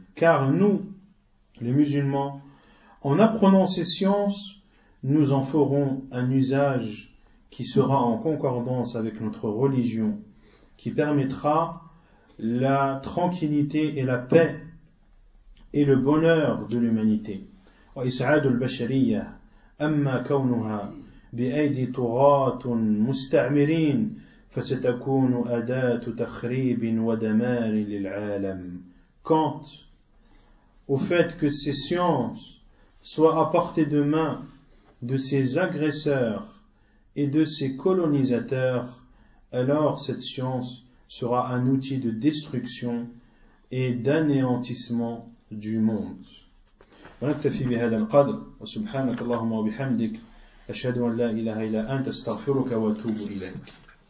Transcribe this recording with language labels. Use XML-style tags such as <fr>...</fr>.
<fr>Car nous, les musulmans, en apprenant ces sciences, nous en ferons un usage qui sera en concordance avec notre religion, qui permettra la tranquillité et la paix et le bonheur de l'humanité.</fr> <ar>وإسعاد البشرية أما كونها بأيدي طغاة مستعمرين فستكون أداة تخريب ودمار للعالم.</ar> <fr>Quant au fait que ces sciences soient à portée de main de ces agresseurs et de ces colonisateurs, alors cette science sera un outil de destruction et d'anéantissement du monde.</fr> <ar>ونكتفي بهذا القدر وسبحانك اللهم وبحمدك أشهد أن لا إله إلا أنت أستغفرك وأتوب إليك.</ar>